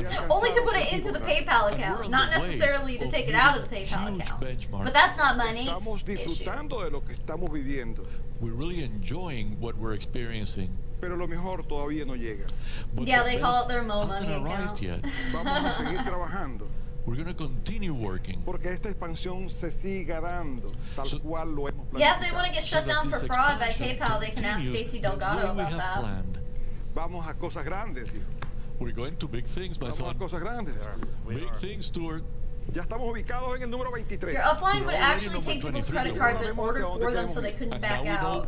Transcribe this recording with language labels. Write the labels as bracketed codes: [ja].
[en] Only to put it into the PayPal account, not necessarily to take it out of the PayPal account. But that's not money. Issue. We're really enjoying what we're experiencing. [es] Pero lo mejor todavía no llega. [en] Yeah, they call it their Mo money account. We're going to continue working. [es] Porque esta expansión se siga dando, tal cual lo hemos planificado. [en] Yeah, if they want to get shut down for fraud by PayPal, they can ask Stacey Delgado about that. [es] Vamos a cosas grandes, hijo. [en] We're going to big things, my son. [es] Cosas grandes. [en] Big things, Stuart. [es] Ya estamos ubicados en el número 23. [en] Your upline would actually take people's credit cards and order for them so they couldn't back out.